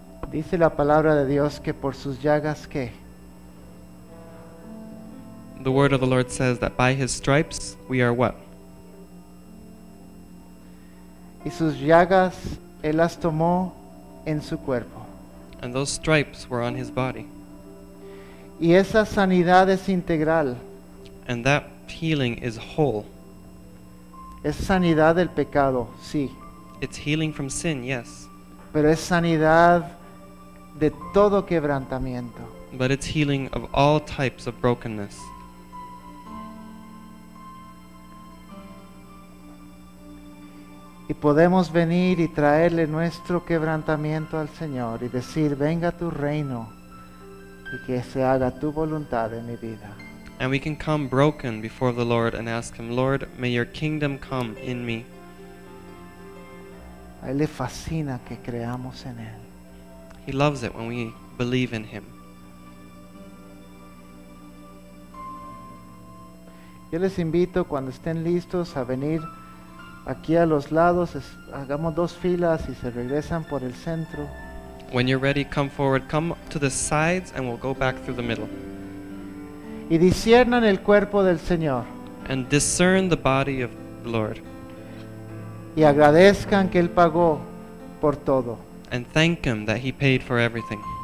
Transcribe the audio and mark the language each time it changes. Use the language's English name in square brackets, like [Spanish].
[Spanish] Dice la palabra de Dios que por sus llagas que. [English] The word of the Lord says that by his stripes we are what? [Spanish] Y sus llagas él las tomó en su cuerpo. [English] And those stripes were on his body. [Spanish] Y esa sanidad es integral. [English] And that healing is whole. [Spanish] Es sanidad del pecado, sí. [English] It's healing from sin, yes. [Spanish] Pero es sanidad de todo quebrantamiento. [English] But it's healing of all types of brokenness. [Spanish] Y podemos venir y traerle nuestro quebrantamiento al Señor y decir, venga tu reino y que se haga tu voluntad en mi vida. [English] And we can come broken before the Lord and ask him, Lord, may your kingdom come in me. [Spanish] A él le fascina que creamos en él. [English] He loves it when we believe in him. [Spanish] Yo les invito cuando estén listos a venir aquí a los lados, hagamos dos filas y se regresan por el centro. [English] When you're ready, come forward, come to the sides and we'll go back through the middle. [Spanish] Y disciernan el cuerpo del Señor. [English] And discern the body of the Lord. [Spanish] Y agradezcan que él pagó por todo. [English] And thank him that he paid for everything.